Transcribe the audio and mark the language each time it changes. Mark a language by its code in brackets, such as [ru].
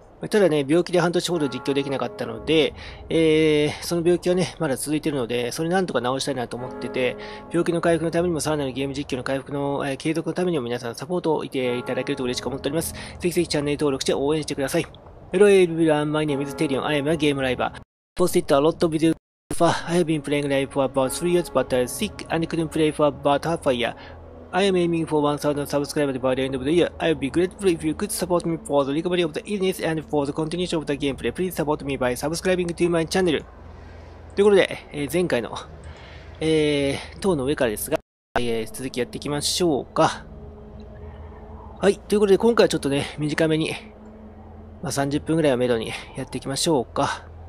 [ja] ただね、病気で半年ほど実況できなかったので、その病気はね、まだ続いているので、それなんとか治したいなと思ってて、病気の回復のためにも、さらなるゲーム実況の回復の、継続のためにも皆さんサポートをいていただけると嬉しく思っております。ぜひぜひチャンネル登録して応援してください。 [en] Hello everyone, my name is Terion, I am a game driver. Posted a lot of videos so far. I have been playing live for about 3 years, but I was sick and couldn't play for about half a year. I am aiming for 1,000 subscribers by the end of the year. I would be grateful if you could support me for the recovery of the illness and for the continuation of the gameplay. Please support me by subscribing to my channel. [ja] ということで、前回の、塔の上からですが、続きやっていきましょうか。はい。ということで、今回はちょっとね、短めに、まあ、30分ぐらいをめどにやっていきましょうか。